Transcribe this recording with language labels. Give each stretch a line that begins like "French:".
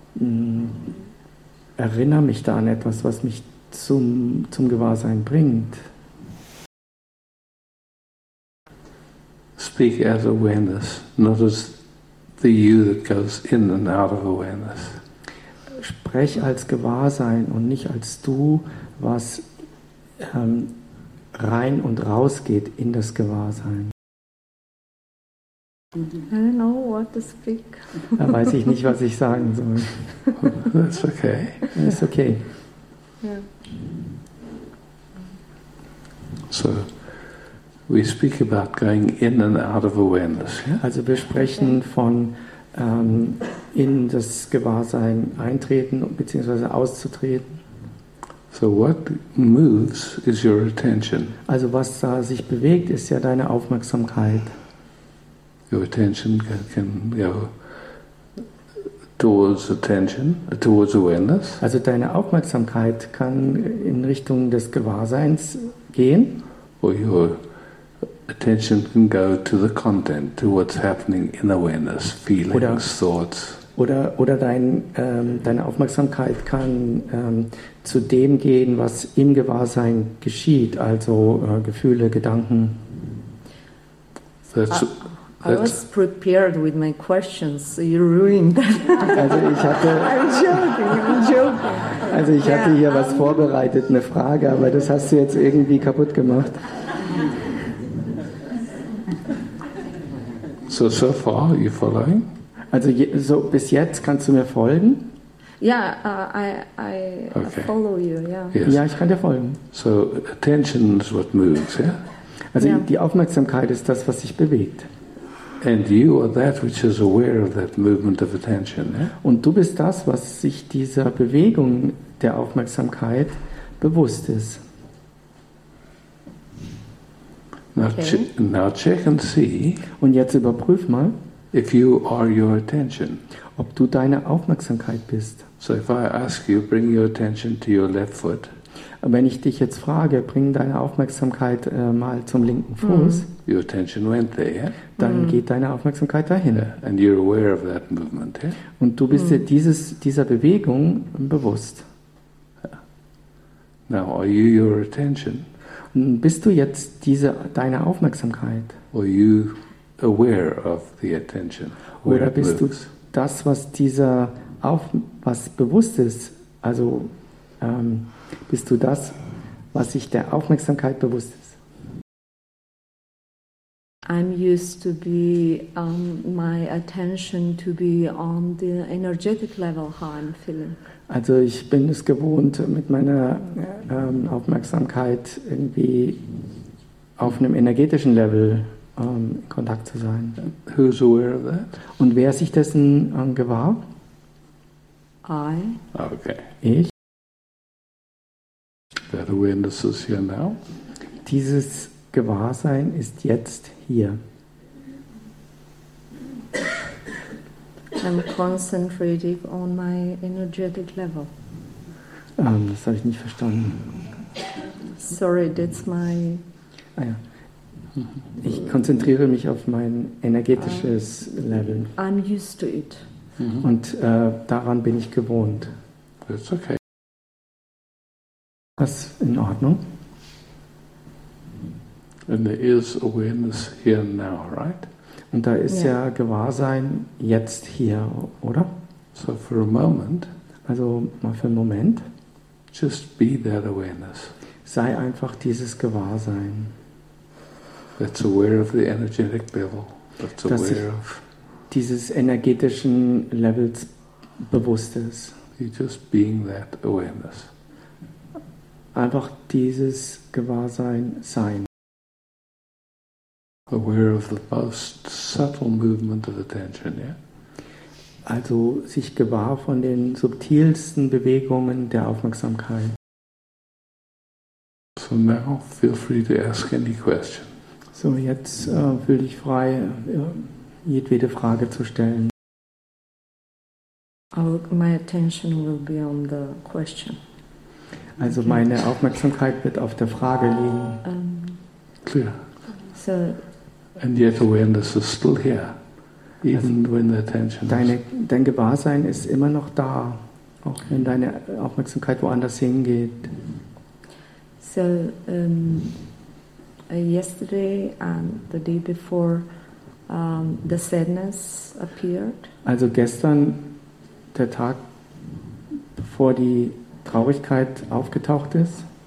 German: Ich erinnere mich da an etwas, was mich zum Gewahrsein bringt.
English: Speak as awareness, not as the you that goes in and out of awareness.
German: Sprech als Gewahrsein und nicht als du, was rein und raus geht in das Gewahrsein.
English: I don't know what to speak.
German: Da weiß ich nicht, was ich sagen soll.
English: That's okay. It's okay. Yeah. So, we speak about going in and out of awareness.
German: Also wir sprechen okay. von in das Gewahrsein eintreten bzw. auszutreten.
English: So what moves is your attention.
German: Also was da sich bewegt, ist ja deine Aufmerksamkeit.
English: Your attention can go towards attention, towards awareness.
German: Also deine Aufmerksamkeit kann in Richtung des Gewahrseins gehen.
English: Or your attention can go to the content, to what's happening in awareness, feelings, oder, thoughts.
German: Oder deine Aufmerksamkeit kann zu dem gehen, was im Gewahrsein geschieht, also Gefühle, Gedanken.
English: I was prepared with my questions. You ruined that.
German: Also ich hatte.
English: I'm joking.
German: Also ich hatte hier was vorbereitet, eine Frage, aber das hast du jetzt irgendwie kaputt gemacht.
English: So far, are you following?
German: Also so bis jetzt kannst du mir folgen?
English: Yeah, I okay. follow you. Yeah.
German: Yes. Ja, ich kann dir folgen.
English: So attention is what moves, yeah. Also yeah.
German: Die Aufmerksamkeit ist das, was sich bewegt.
English: And you are that which is aware of that movement of attention. Yeah?
German: Und du bist das, was sich dieser Bewegung der Aufmerksamkeit bewusst ist.
English: Now, okay. now check and see.
German: Und jetzt überprüf mal.
English: If you are your attention.
German: Ob du deine Aufmerksamkeit bist.
English: So if I ask you, bring your attention to your left foot.
German: Wenn ich dich jetzt frage, bring deine Aufmerksamkeit mal zum linken Fuß.
English: Your attention went there, yeah?
German: Dann geht deine Aufmerksamkeit dahin.
English: Yeah. And you're aware of that movement, yeah?
German: Und du bist dir dieser Bewegung bewusst.
English: Now are you your attention?
German: Bist du jetzt deine Aufmerksamkeit?
English: Are you aware of the attention?
German: Oder bist du das, was dieser was bewusst ist? Also bist du das, was sich der Aufmerksamkeit bewusst ist?
English: I'm used to be my attention to be on the energetic level, how I'm feeling.
German: Also ich bin es gewohnt, mit meiner Aufmerksamkeit irgendwie auf einem energetischen Level in Kontakt zu sein.
English: Who's aware of that?
German: Und wer sich dessen gewahr?
English: I. Okay.
German: Ich.
English: That awareness is here now.
German: Dieses Gewahrsein ist jetzt hier.
English: I'm concentrating on my energetic level.
German: Das habe ich nicht verstanden.
English: Sorry, that's my.
German: Ah ja. Ich konzentriere mich auf mein energetisches Level.
English: I'm used to it.
German: Und daran bin ich gewohnt.
English: That's okay.
German: Das ist in Ordnung.
English: And there is awareness here now, right?
German: Und da ist ja Gewahrsein jetzt hier, oder?
English: So for a moment.
German: Also mal für einen Moment.
English: Just be that awareness.
German: Sei einfach dieses Gewahrsein.
English: That's aware of the energetic level. That's aware
German: dass ich
English: of.
German: Dieses energetischen Levels bewusst ist.
English: You're just being that awareness.
German: Einfach dieses Gewahrsein sein.
English: aware of the most subtle movement of attention, yeah?
German: Also sich gewahr von den subtilsten Bewegungen der Aufmerksamkeit.
English: So now feel free to ask any question.
German: So jetzt fühle ich frei, jedwede Frage zu stellen.
English: My attention will be on the question.
German: Also meine Aufmerksamkeit wird auf der Frage liegen.
English: Clear. So. And yet awareness is still here. Even when the attention
German: dein Gewahrsein ist immer noch da, auch wenn deine Aufmerksamkeit woanders hingeht.
English: So, yesterday and the day before, the sadness appeared.
German: Also gestern, der Tag, bevor die Traurigkeit aufgetaucht ist.